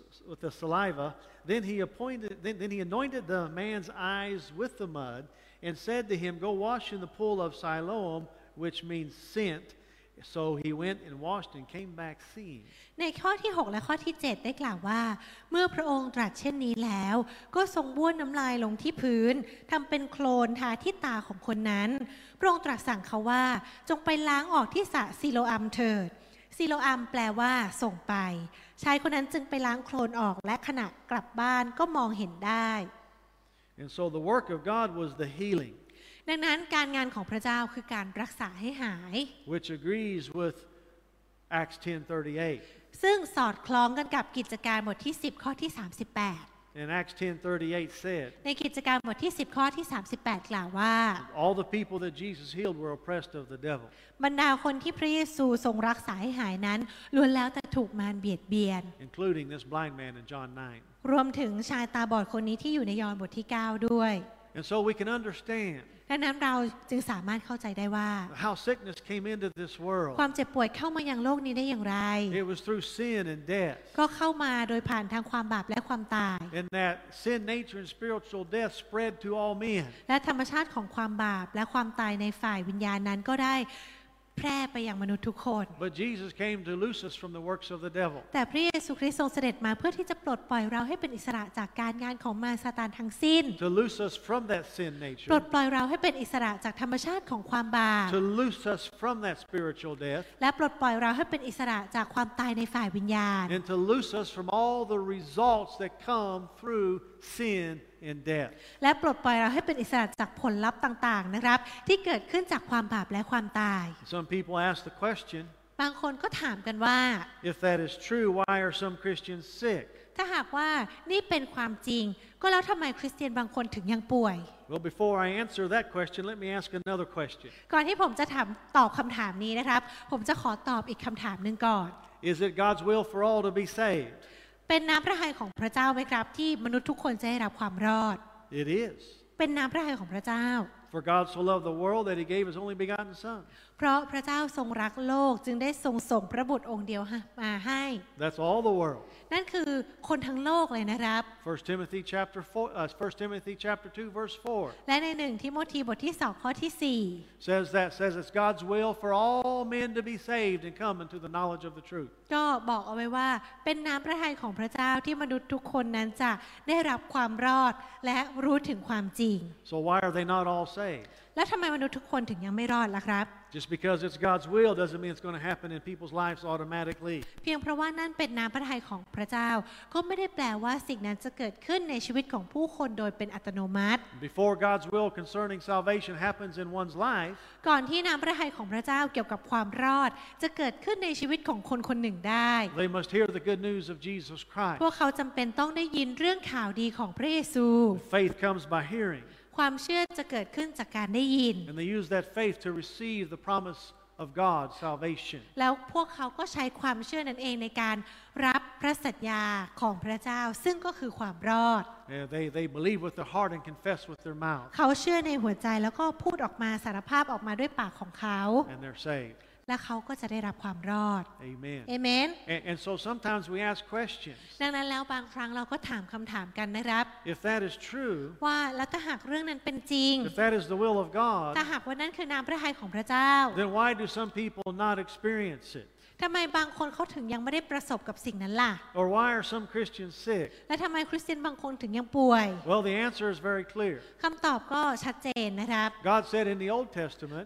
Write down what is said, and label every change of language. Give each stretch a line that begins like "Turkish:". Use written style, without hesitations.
English: With the saliva, then he anointed the man's eyes with the mud, and said to him, "Go wash in the pool of Siloam, which means sent." So he went and washed and came back seeing.
Thai: ในข้อที่6และข้อที่7ได้กล่าวว่าเมื่อพระองค์ตรัสเช่นนี้แล้วก็ทรงบ้วนน้ำลายลงที่พื้นทำเป็นโคลนทาที่ตาของคนนั้นพระองค์ตรัสสั่งเขาว่าจงไปล้างออกที่สระซิโลอัมเถิดซิโลอัมแปลว่าส่งไปชายคนนั้นจึงไปล้างโคลนออกและขณะกลับบ้านก็มองเห็นได้
English: And so the work of God was the healing
Thai: ดังนั้นการงานของพระเจ้าคือการรักษาให้หาย
English: Which agrees with Acts 10:38
Thai: ซึ่งสอดคล้องกันกับกิจการบทที่10ข้อที่38
English: And Acts 10:38 said
Thai: ในกิจการบทที่10ข้อที่38กล่าวว่า
English: All the people that Jesus healed were oppressed of the devil
Thai: บรรดาคนที่พระเยซูทรงรักษาให้หายนั้นล้วนแล้วแต่ถูกมารเบียดเบียน
English: Including this blind man in John 9
Thai: รวมถึงชายตาบอดคนนี้ที่อยู่ในยอห์นบทที่9ด้วย
English: And so we can understand
Thai: ดังนั้นเราจึงสามารถเข้าใจได้ว่า
English: How sickness came into this world
Thai: ความเจ็บป่วยเข้ามายังโลกนี้ได้อย่างไร
English: It was through sin and death
Thai: ก็เข้ามาโดยผ่านทางความบาปและความตาย
English: And that sin nature and spiritual death spread to all men
Thai: และธรรมชาติของความบาปและความตายในฝ่ายวิญญาณนั้นก็ได้แพร่ไปยังมนุษย์ทุกคน
English: But Jesus came to loose us from the works of the devil
Thai: แต่พระเยซูคริสต์ทรงเสด็จมาเพื่อที่จะปลดปล่อยเราให้เป็นอิสระจากการงานของมารซาตานทั้งสิ้น
English: To loose us from that sin nature
Thai: ปลดปล่อยเราให้เป็นอิสระจากธรรมชาติของความบาป
English: To loose us from from that spiritual death
Thai: และปลดปล่อยเราให้เป็นอิสระจากความตายในฝ่ายวิญญาณ
English: and to loose us from all the results that come through sin and death
Thai: และปลดปล่อยเราให้เป็นอิสระจากผลลัพธ์ต่างๆนะครับที่เกิดขึ้นจากความบาปและความตาย
English: Some people ask the question
Thai: บางคนก็ถามกันว่า
English: If that is true why are some Christians sick
Thai: ถ้าหากว่านี่เป็นความจริงก็แล้วทำไมคริสเตียนบางคนถึงยังป่วย
English: Well, before I answer that question, let me ask another question.
Thai: ก่อนที่ผมจะถามตอบคำถามนี้นะครับผมจะขอตอบอีกคำถามนึงก่อน
English: Is it God's will for all to be saved?
Thai: เป็นน้ำพระทัยของพระเจ้าไหมครับที่มนุษย์ทุกคนจะได้รับความรอด
English: It is.
Thai: เป็นน้ำพระทัยของพระเจ้า
English: For God so loved the world that He gave His only begotten Son.
Thai: เพราะพระเจ้าทรงรักโลกจึงได้ทรงส่งพระบุตรองค์เดียวมาให้
English: That's all the world.
Thai: นั่นคือคนทั้งโลกเลยนะครับ
English: 1 Timothy 2:4
Thai: และใน1ทิโมธีบทที่2ข้อที่4
English: says that says it's God's will for all men to be saved and come into the knowledge of the truth
Thai: ก็บอกเอาไว้ว่าเป็นน้ำพระทัยของพระเจ้าที่มนุษย์ทุกคนนั้นจะได้รับความรอดและรู้ถึงความจริง
English: So why are they not all saved
Thai: แล้วทำไมมนุษย์ทุกคนถึงยังไม่รอดล่ะครับ
English: Just because it's God's will doesn't mean it's going to happen in people's lives automatically.
Thai: เพียงเพราะว่านั่นเป็นน้ำพระทัยของพระเจ้าก็ไม่ได้แปลว่าสิ่งนั้นจะเกิดขึ้นในชีวิตของผู้คนโดยเป็นอัตโนมัติ
English: Before God's will concerning salvation happens in one's life,
Thai: ก่อนที่น้ำพระทัยของพระเจ้าเกี่ยวกับความรอดจะเกิดขึ้นในชีวิตของคนคนหนึ่งได้
English: They must hear the good news of Jesus Christ.
Thai: พวกเขาจำเป็นต้องได้ยินเรื่องข่าวดีของพระเยซู
English: Faith comes by hearing.
Thai: ความเชื่อจะเกิดขึ้นจากการได้ยิน
English: And they use that faith to receive the promise of God's salvation.
Thai: แล้วพวกเขาก็ใช้ความเชื่อนั้นเองในการรับพระสัญญาของพระเจ้าซึ่งก็คือความรอด
English: Yeah, they believe with their heart and confess with their mouth.
Thai: เขาเชื่อในหัวใจแล้วก็พูดออกมาสารภาพออกมาด้วยปากของเขา
English: And they're saved.
Thai: และเขาก็จะได้รับความรอด
English: Amen. Amen. And so sometimes we ask questions.
Thai: ดังนั้นแล้วบางครั้งเราก็ถามคำถามกันนะครับ
English: If that is true.
Thai: ว่าแล้วถ้าหากเรื่องนั้นเป็นจริง
English: If that is the will of God.
Thai: ถ้าหากว่านั้นคือน้ำพระทัยของพระเจ้า
English: Then why do some people not experience it?
Thai: ทำไมบางคนเขาถึงยังไม่ได้ประสบกับสิ่งนั้นล่ะ
English: Or why are some Christians sick?
Thai: และทำไมคริสเตียนบางคนถึงยังป่วย
English: Well, the answer is very clear.
Thai: คำตอบก็ชัดเจนนะครับ
English: God said in the Old Testament.